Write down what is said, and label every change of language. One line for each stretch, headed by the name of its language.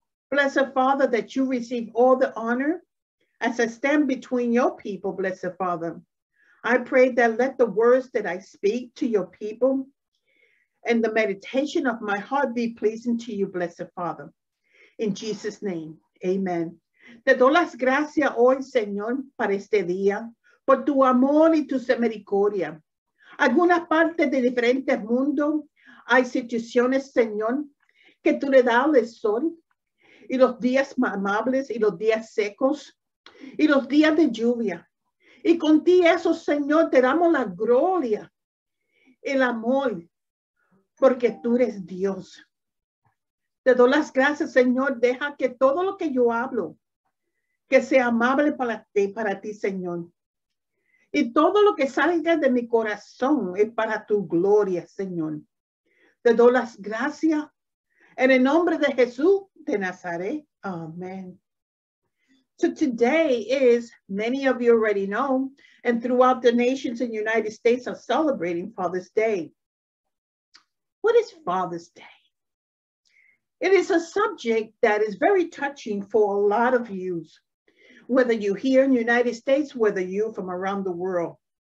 English: Blessed Father, that you receive all the honor as I stand between your people, blessed Father. I pray that let the words that I speak to your people and the meditation of my heart be pleasing to you, blessed Father. In Jesus' name, amen.
Spanish: Te doy las gracias hoy, Señor, para este día, por tu amor y tu misericordia. Algunas partes de diferentes mundos, hay situaciones, Señor, que tú le das el sol y los días amables y los días secos, y los días de lluvia. Y con ti eso, Señor, te damos la gloria, el amor, porque tú eres Dios. Te doy las gracias, Señor. Deja que todo lo que yo hablo, que sea amable para ti, Señor. Y todo lo que salga de mi corazón es para tu gloria, Señor. Te doy las gracias en el nombre de Jesús de Nazaret. Amén.
English: So today is, many of you already know, and throughout the nations in the United States are celebrating Father's Day. What is Father's Day? It is a subject that is very touching for a lot of you, whether you're here in the United States, whether you're from around the world.